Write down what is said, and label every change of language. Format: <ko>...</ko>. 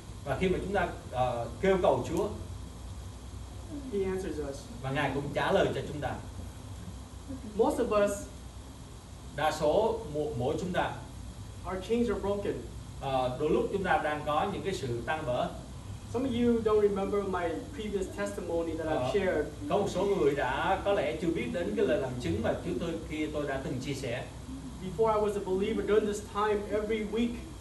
<vi>và khi mà chúng ta kêu cầu Chúa,</vi> <en>He answers us.</en> <vi>Và ngài cũng trả lời cho chúng ta.</vi> <en>Most of us,</en> <vi>đa số mỗi chúng ta,</vi> <en>our chains are broken.</en> <vi>Đôi lúc chúng ta đang có những cái sự tan vỡ.</vi> <en>Some of you don't remember my previous testimony that I've shared.</en> <vi>Có một số người đã có lẽ chưa biết đến cái lời làm chứng mà trước tôi khi tôi đã từng chia sẻ.</vi> <en>Before I was a believer, during this time every week.</en>